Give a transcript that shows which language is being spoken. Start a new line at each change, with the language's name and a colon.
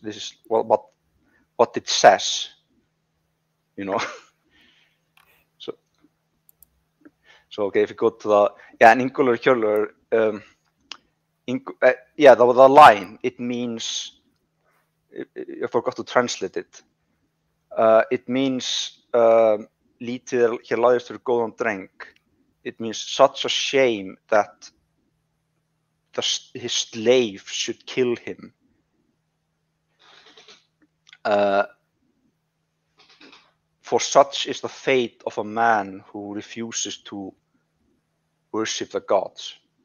English: This is what it says, you know. So okay, if you go to the and Ingólfur Arnarsson, that was a line. It means, I forgot to translate it. It means
Icelandic: lítið hér lagðist fyrir góðan dreng.
English: It means such a shame that his slave should kill him. For such is the fate of a man who refuses to worship the gods.